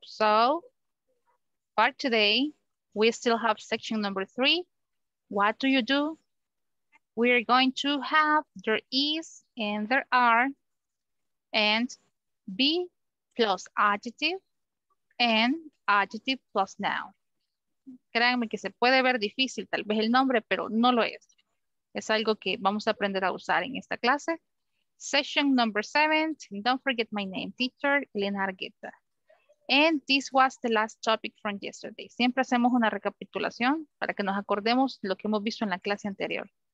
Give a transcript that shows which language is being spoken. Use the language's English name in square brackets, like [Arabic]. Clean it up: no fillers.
[English] So, for today, we still have section number 3. What do you do? We are going to have there is and there are and be plus adjective and adjective plus noun. [Spanish] Créanme que se puede ver difícil tal vez el nombre, pero no lo es. Es algo que vamos a aprender a usar en esta clase. [English] Session number 7. Don't forget my name, teacher Elena Argueta. And this was the last topic from yesterday. [Spanish] Siempre hacemos una recapitulación para que nos acordemos lo que hemos visto en la clase anterior.